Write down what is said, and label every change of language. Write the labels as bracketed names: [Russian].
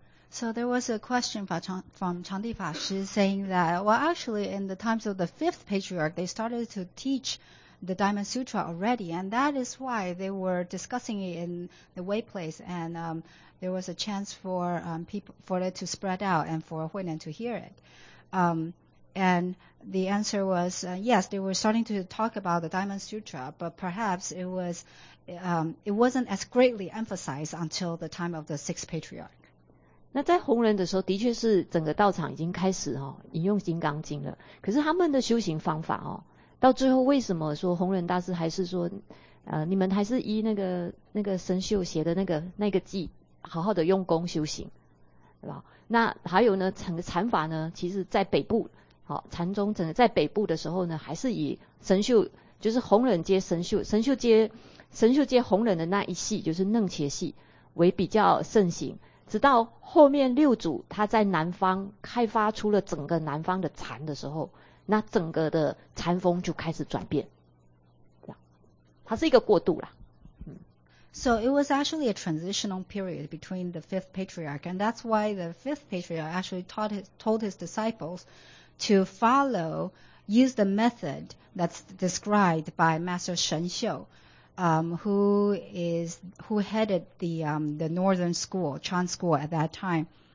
[English] So there was a question from Chandi Fashi saying that, well, actually, in the times of the fifth patriarch, they started to teach the Diamond Sutra already, and that is why they were discussing it in the way place, and there was a chance for it to spread out and for Huinen to hear it. And the answer was, yes, they were starting to talk about the Diamond Sutra, but perhaps it wasn't as greatly emphasized until the time of the sixth patriarch. [Chinese] 那在弘忍的时候的确是整个道场已经开始引用金刚经了，可是他们的修行方法到最后为什么说弘忍大师还是说你们还是依那个神秀写的那个记好好的用功修行，对吧？那还有呢，整个禅法呢其实在北部禅宗整个在北部的时候呢还是以神秀，就是弘忍接神秀，神秀接弘忍的那一系，就是楞伽系为比较盛行，直到后面六祖他在南方开发出了整个南方的禅的时候，那整个的禅风就开始转变，这样它是一个过渡啦。 [English] So it was actually a transitional period between the fifth patriarch, and that's why the fifth patriarch actually told his disciples to follow, use the method that's described by Master Shen Xiu. who headed the northern school, Chan school at that time.